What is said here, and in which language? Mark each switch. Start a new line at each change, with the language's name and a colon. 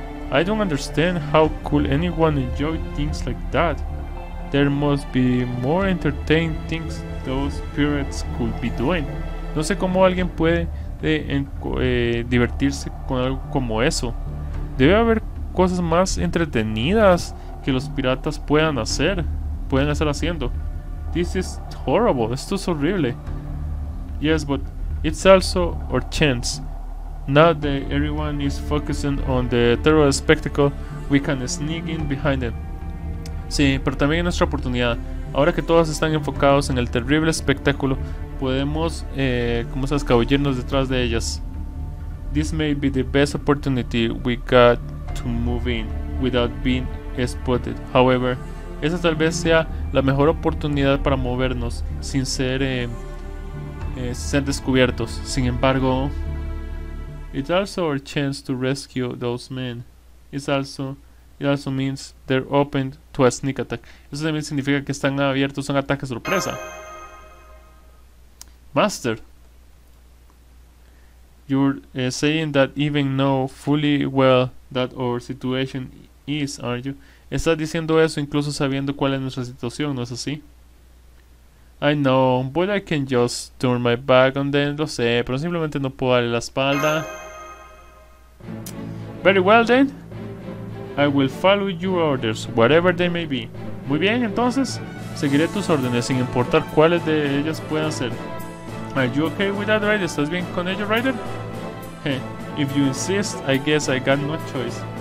English: I don't understand how could anyone enjoy things like that. There must be more entertaining things those pirates could be doing.
Spanish: No sé cómo alguien puede divertirse con algo como eso. Debe haber cosas más entretenidas que los piratas puedan estar haciendo.
English: This is horrible.
Spanish: Esto es horrible.
English: Yes, but it's also our chance. Now that everyone is focusing on the terrible spectacle, we can sneak in behind them.
Spanish: Sí, pero también es nuestra oportunidad. Ahora que todos están enfocados en el terrible espectáculo, podemos escabullirnos detrás de ellas.
English: This may be the best opportunity we got to move in without being spotted.
Spanish: However, esa tal vez sea la mejor oportunidad para movernos sin ser descubiertos. Sin embargo,
English: it's also our chance to rescue those men. It also means they're open to a sneak attack.
Spanish: Eso también significa que están abiertos a un ataque sorpresa.
English: Master, you're saying that even know fully well that our situation is, aren't you?
Spanish: Estás diciendo eso incluso sabiendo cuál es nuestra situación, ¿no es así?
English: I know, but I can just turn my back on them.
Spanish: Lo sé, pero simplemente no puedo darle la espalda.
English: Very well then, I will follow your orders, whatever they may be.
Spanish: Muy bien, entonces seguiré tus órdenes sin importar cuáles de ellas puedan ser.
English: Are you okay with that, Ryder?
Spanish: ¿Estás bien con ello, Ryder?
English: Hey, if you insist, I guess I got no choice.